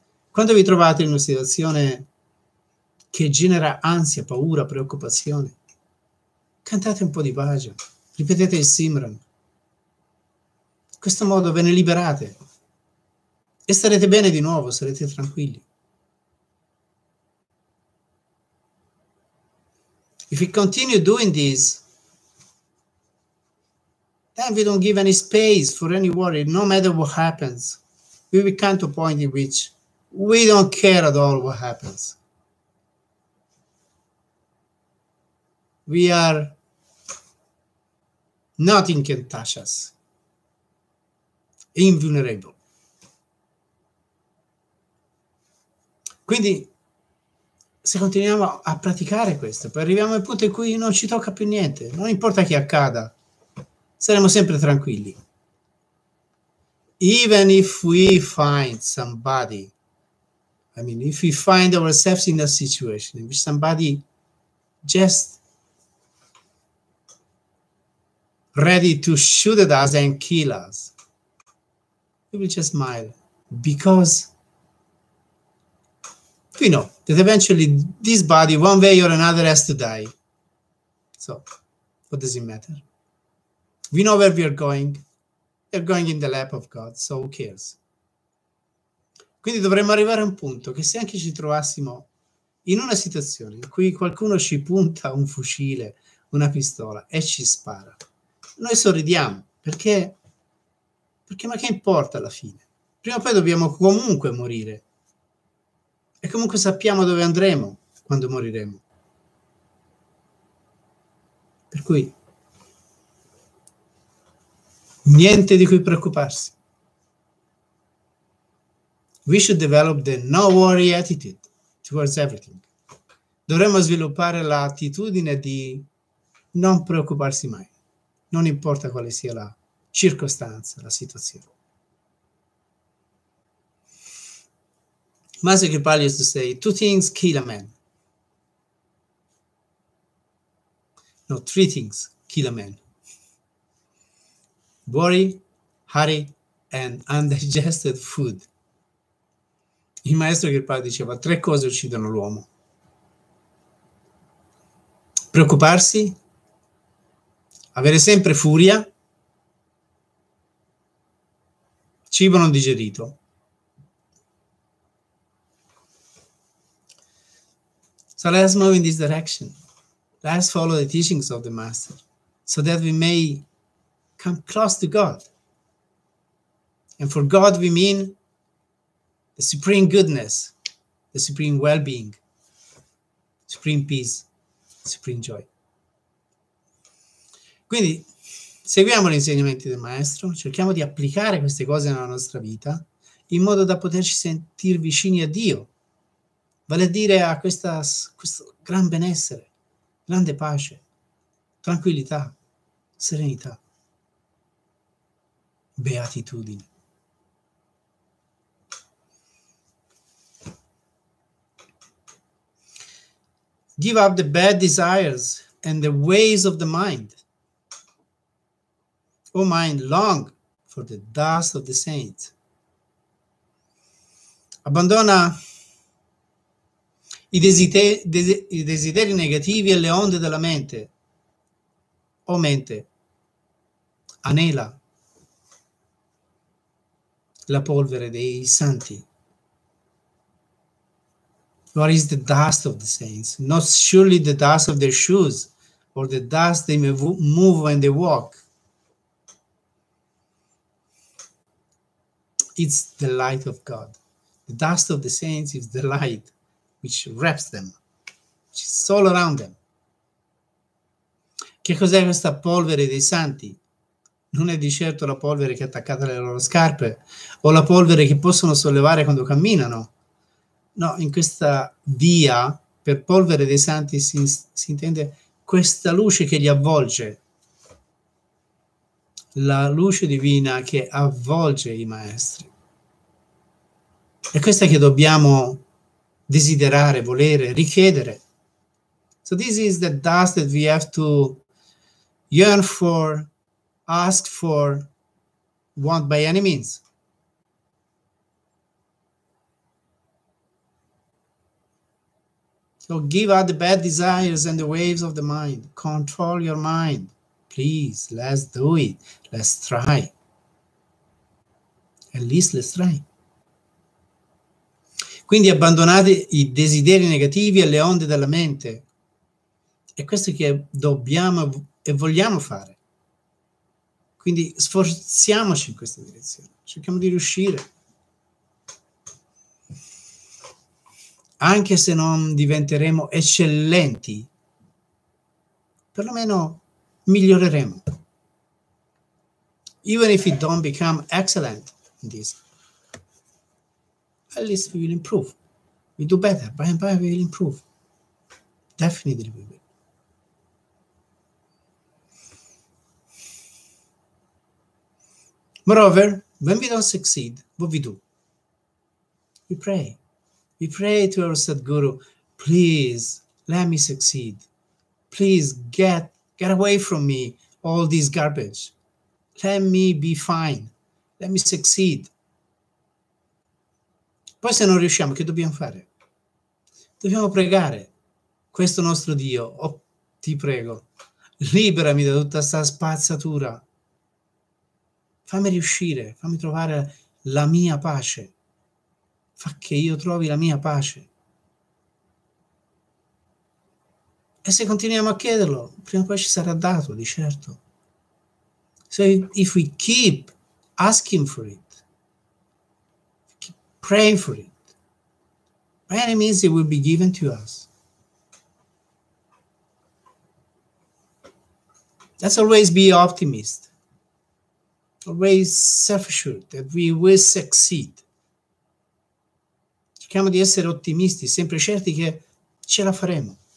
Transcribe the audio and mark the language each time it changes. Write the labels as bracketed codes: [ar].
[it] Quando vi trovate in una situazione che genera ansia, paura, preoccupazione, cantate un po' di bhajan. Ripetete il Simran. In questo modo ve ne liberate e starete bene di nuovo, sarete tranquilli. [en] If you continue doing this, then we don't give any space for any worry, no matter what happens. We will come to a point in which we don't care at all what happens. Nothing can touch us. Invulnerable. [it] Quindi, se continuiamo a praticare questo, poi arriviamo al punto in cui non ci tocca più niente, non importa che accada, saremo sempre tranquilli. [en] Even if we find somebody, I mean, if we find ourselves in a situation in which somebody just ready to shoot at us and kill us, we will just smile, because we know that eventually this body, one way or another, has to die. So, what does it matter? We know where we are going. We are going in the lap of God, so who cares? [it] Quindi dovremmo arrivare a un punto che se anche ci trovassimo in una situazione in cui qualcuno ci punta un fucile, una pistola e ci spara, noi sorridiamo, perché ma che importa alla fine? Prima o poi dobbiamo comunque morire. E comunque sappiamo dove andremo quando moriremo. Per cui, niente di cui preoccuparsi. [en] We should develop the no worry attitude towards everything. [it] Dovremmo sviluppare l'attitudine di non preoccuparsi mai. Non importa quale sia la circostanza, la situazione. [en] Master Kripal used to say, two things kill a man. No, three things kill a man. Worry, hurry, and undigested food. [it] Il maestro Kripal diceva, tre cose uccidono l'uomo. Preoccuparsi, avere sempre furia, cibo non digerito. [en] So let's move in this direction. Let's follow the teachings of the Master so that we may come close to God. And for God we mean the supreme goodness, the supreme well-being, supreme peace, supreme joy. [it] Quindi seguiamo gli insegnamenti del Maestro, cerchiamo di applicare queste cose nella nostra vita in modo da poterci sentire vicini a Dio, vale a dire a questo gran benessere, grande pace, tranquillità, serenità, beatitudine. [en] Give up the bad desires and the ways of the mind. O mind, long for the dust of the saints. [it] Abbandona i desideri negativi e le onde della mente. O mente, anela la polvere dei santi. [en] What is the dust of the saints? Not surely the dust of their shoes, or the dust they move when they walk. it's the light of God. The dust of the saints is the light which wraps them, which is all around them. [it] Che cos'è questa polvere dei santi? Non è di certo la polvere che è attaccata alle loro scarpe o la polvere che possono sollevare quando camminano. No, in questa via, per polvere dei santi si intende questa luce che li avvolge, la luce divina che avvolge i maestri. È questa che dobbiamo desiderare, volere, richiedere. [en] So this is the dust that we have to yearn for, ask for, want by any means. So give up the bad desires and the waves of the mind. Control your mind. Please, let's do it. Let's try. At least let's try. [it] Quindi abbandonate i desideri negativi e le onde della mente. È questo che dobbiamo e vogliamo fare. Quindi sforziamoci in questa direzione. Cerchiamo di riuscire. Anche se non diventeremo eccellenti, perlomeno miglioreremo. [en] Even if we don't become excellent in this, at least we will improve. We do better. By and by we will improve. Definitely we will. Moreover, when we don't succeed, what we do? We pray. We pray to our Sadguru, please let me succeed. Please get away from me all this garbage. Let me be fine. Let me succeed. [it] Poi se non riusciamo, che dobbiamo fare? Dobbiamo pregare. Questo nostro Dio, oh, ti prego, liberami da tutta questa spazzatura. Fammi riuscire, fammi trovare la mia pace. Fa che io trovi la mia pace. E se continuiamo a chiederlo, prima o poi ci sarà dato, di certo. [en] So if we keep asking for it, keep praying for it, by any means it will be given to us. Let's always be optimist, always self-assured that we will succeed. [it] Cerchiamo di essere ottimisti, sempre certi che ce la faremo.